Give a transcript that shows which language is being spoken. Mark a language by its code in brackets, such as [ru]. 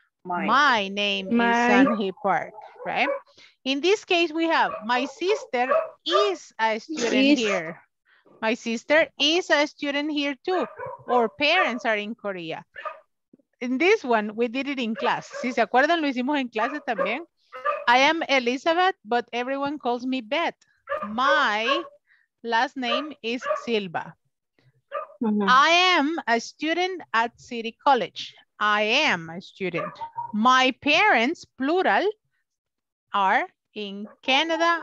[en] My name is Sun Hee Park, right? In this case, we have my sister is a student here. My sister is a student here too. Our parents are in Korea. In this one, we did it in class. [es] Si se acuerdan, lo hicimos en clase también. [en] I am Elizabeth, but everyone calls me Beth. My last name is Silva. Mm-hmm. I am a student at City College. I am a student. My parents, plural, are in Canada.